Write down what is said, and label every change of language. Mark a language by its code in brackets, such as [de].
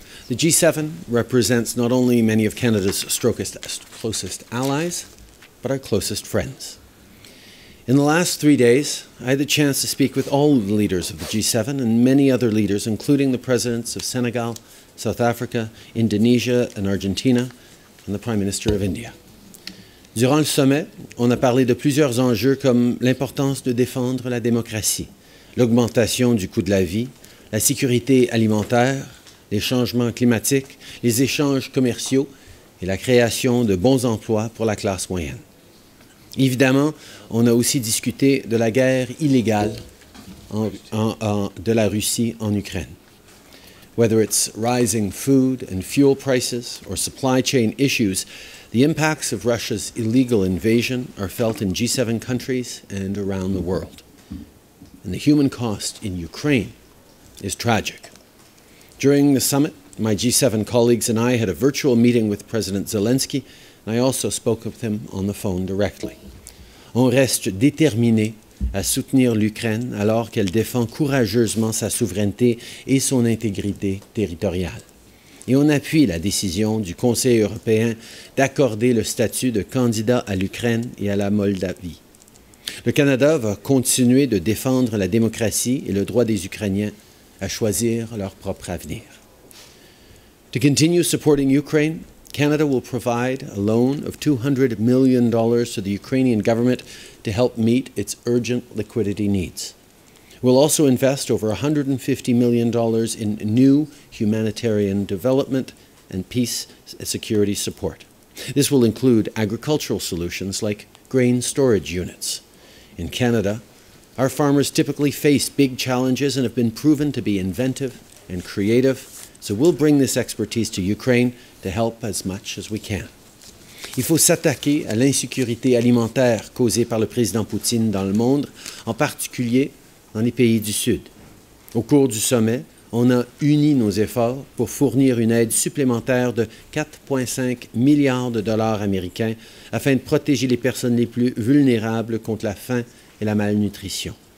[en] The G7 represents not only many of Canada's closest allies, but our closest friends. In the last 3 days, I had the chance to speak with all the leaders of the G7 and many other leaders, including the presidents of Senegal, South Africa, Indonesia, and Argentina, and the Prime Minister of India. [fr] Durant le sommet, on a parlé de plusieurs enjeux comme l'importance de défendre la démocratie, l'augmentation du coût de la vie, la sécurité alimentaire, les changements climatiques, les échanges commerciaux et la création de bons emplois pour la classe moyenne. Évidemment, on a aussi discuté de la guerre illégale de la Russie en Ukraine. [en] Whether it's rising food and fuel prices or supply chain issues, the impacts of Russia's illegal invasion are felt in G7 countries and around the world. And the human cost in Ukraine is tragic. During the summit, my G7 colleagues and I had a virtual meeting with President Zelensky, and I also spoke with him on the phone directly. [fr] On reste déterminé à soutenir l'Ukraine alors qu'elle défend courageusement sa souveraineté et son intégrité territoriale. Et on appuie la décision du Conseil européen d'accorder le statut de candidat à l'Ukraine et à la Moldavie. Le Canada va continuer de défendre la démocratie et le droit des Ukrainiens à choisir leur propre avenir. [en] To continue supporting Ukraine, Canada will provide a loan of $200 million to the Ukrainian government to help meet its urgent liquidity needs. We'll also invest over $150 million in new humanitarian development and peace security support. This will include agricultural solutions like grain storage units. In Canada, our farmers typically face big challenges and have been proven to be inventive and creative, so we'll bring this expertise to Ukraine to help as much as we can. [fr] Il faut s'attaquer à l'insécurité alimentaire causée par le président Poutine dans le monde, en particulier dans les pays du Sud. Au cours du sommet, on a uni nos efforts pour fournir une aide supplémentaire de 4,5 milliards de dollars américains afin de protéger les personnes les plus vulnérables contre la faim et la malnutrition.